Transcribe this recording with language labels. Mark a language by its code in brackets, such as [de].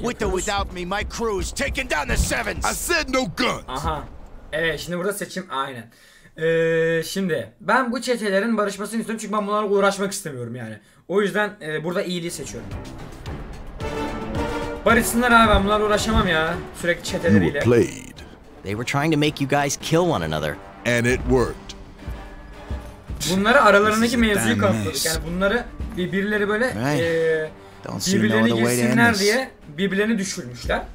[en] with or without me, my crew is taking down the sevens. I said no guns. [tr] Aha. Şimdi burada seçim aynen. Şimdi ben bu çetelerin barışmasını istiyorum çünkü ben bunlarla uğraşmak istemiyorum yani. O yüzden burada iyiliği seçiyorum. Barışsınlar abi, ben bunlarla uğraşamam ya. Sürekli çeteleriyle. [en] They were trying to make you guys kill one another. And it worked. [tr] Bunları aralarındaki mevzuyu kapladık. Yani bunları birbirleri böyle birbirlerini girsinler diye birbirlerini düşürmüşler.